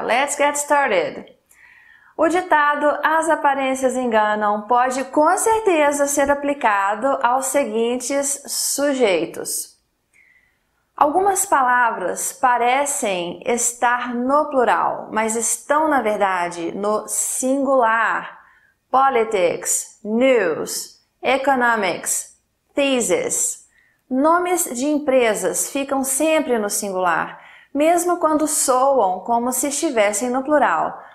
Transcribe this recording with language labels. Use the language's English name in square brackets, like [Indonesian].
[English] Let's get started! [Portuguese] O ditado "as aparências enganam" pode com certeza ser aplicado aos seguintes sujeitos. Algumas palavras parecem estar no plural, mas estão, na verdade, no singular. [English] Politics, news, economics, thesis. [Portuguese] Nomes de empresas ficam sempre no singular, mesmo quando soam como se estivessem no plural.